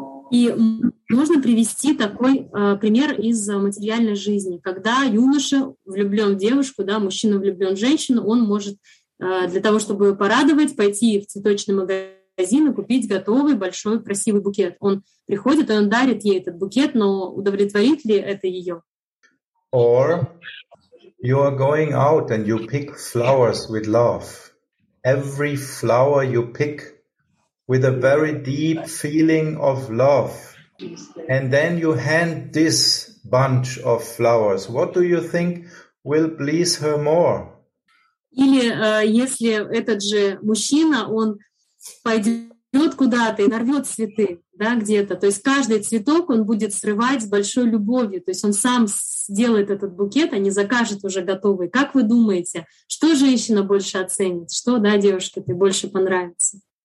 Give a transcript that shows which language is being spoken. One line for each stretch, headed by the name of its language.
Russian: И можно привести такой пример из материальной жизни. Когда юноша влюблен в девушку, да, мужчина влюблен в женщину, он может для того, чтобы ее порадовать, пойти в цветочный магазин и купить готовый большой красивый букет. Он приходит, и он дарит ей этот букет, но удовлетворит ли это ее?
English: Or you are going out and you pick flowers with love. Every flower you pick with a very deep feeling of love, and then you hand this bunch of flowers. What do you think will please her more?
Russian: Или если этот же мужчина, он пойдет куда-то и нарвет цветы, да, где-то. То есть каждый цветок он будет срывать с большой любовью. То есть он сам сделает этот букет, а не закажет уже готовый. Как вы думаете, что женщина больше оценит? Что, да, девушке ты больше понравится?